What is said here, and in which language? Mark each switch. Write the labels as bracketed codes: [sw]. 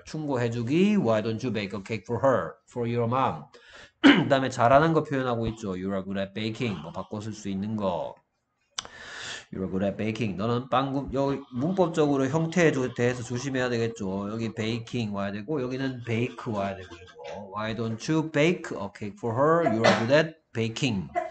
[en] 충고해주기 why don't you bake a cake for her? for your mom. [ko] 그 다음에 잘하는 거 표현하고 있죠. [en] You are good at baking. [ko] 뭐 바꿔 쓸수 있는 거. [en] You are good at baking. [ko] 너는 빵, 여기 문법적으로 형태에 대해서 조심해야 되겠죠. 여기 baking 와야 되고, 여기는 bake 와야 되고. [en] Why don't you bake a cake for her? You are good at baking.